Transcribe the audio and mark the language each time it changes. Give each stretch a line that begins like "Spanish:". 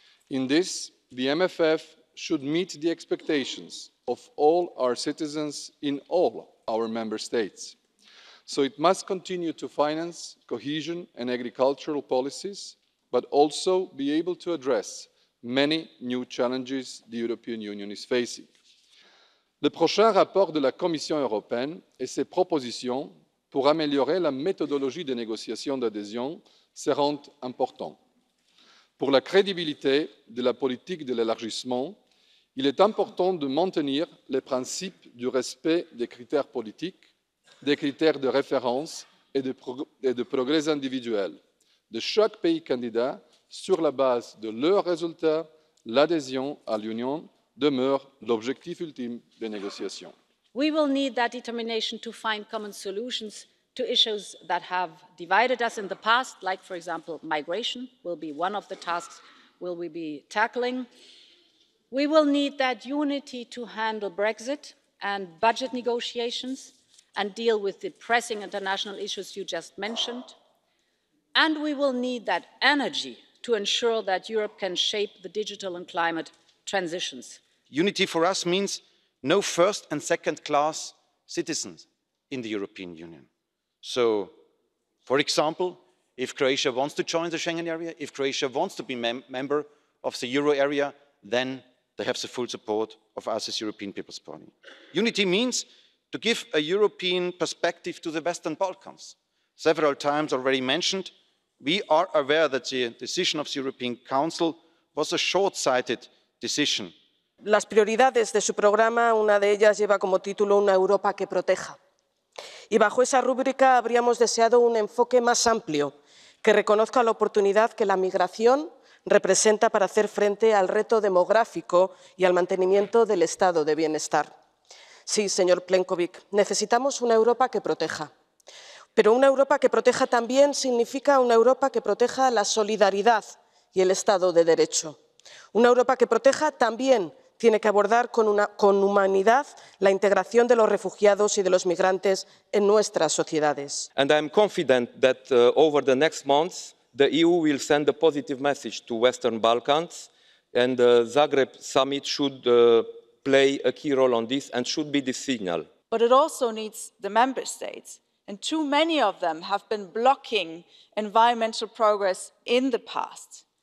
English: In this, the MFF should meet the expectations of all our citizens in all our member states. So it must continue to finance cohesion and agricultural policies, but also be able to address many new challenges the European Union is facing.
French: Le prochain rapport de la Commission européenne et ses propositions pour améliorer la méthodologie des négociations d'adhésion seront importants. Pour la crédibilité de la politique de l'élargissement, il est important de maintenir les principes du respect des critères politiques, des critères de référence et de progrès individuel de chaque pays candidat sur la base de leurs résultats, l'adhésion à l'Union demeure l'objectif ultime des négociations.
English: We will need that determination to find common solutions to issues that have divided us in the past, like, for example, migration will be one of the tasks will we be tackling. We will need that unity to handle Brexit and budget negotiations and deal with the pressing international issues you just mentioned. And we will need that energy to ensure that Europe can shape the digital and climate transitions. Unity for us means no first and second class citizens in the European Union. So, for example, if Croatia wants to join the Schengen area, if Croatia wants to be a member of the euro area, then they have the full support of us as European People's Party. Unity means to give a European perspective to the Western Balkans. Several times already mentioned, we are aware that the decision of the European Council was a short-sighted decision.
Spanish: Las prioridades de su programa, una de ellas lleva como título Una Europa que proteja. Y bajo esa rúbrica habríamos deseado un enfoque más amplio que reconozca la oportunidad que la migración representa para hacer frente al reto demográfico y al mantenimiento del estado de bienestar. Sí, señor Plenković, necesitamos una Europa que proteja. Pero una Europa que proteja también significa una Europa que proteja la solidaridad y el estado de derecho. Una Europa que proteja también tiene que abordar con humanidad la integración de los refugiados y de los migrantes en nuestras sociedades.
English: And I'm confident that over the next months the EU will send a positive message to Western Balkans, and the Zagreb summit should play a key role on this and should be the signal. But it also needs the member states, and too many of them have been blocking environmental progress in the past.